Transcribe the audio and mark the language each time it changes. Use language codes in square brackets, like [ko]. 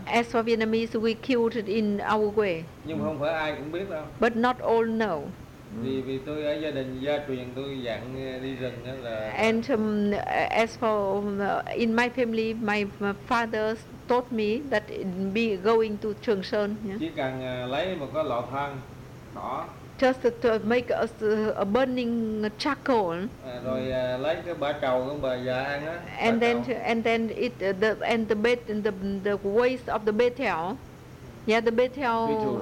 [en] As for Vietnamese, we killed it in our way. [vi] Nhưng không phải ai cũng biết đâu. [en] But not all know. [vi] Vì tôi ở gia đình gia truyền tôi dạng đi rừng đó là. [en] And as for in my family, my father taught me that be going to Trường Sơn. Yeah? [vi] Chỉ cần lấy một cái lọ than đỏ. [en] Just to make us a burning charcoal. [vi] Rồi lấy cái bả trầu của bà già ăn á. [en] And then the waste of the betel. Yeah, the betel.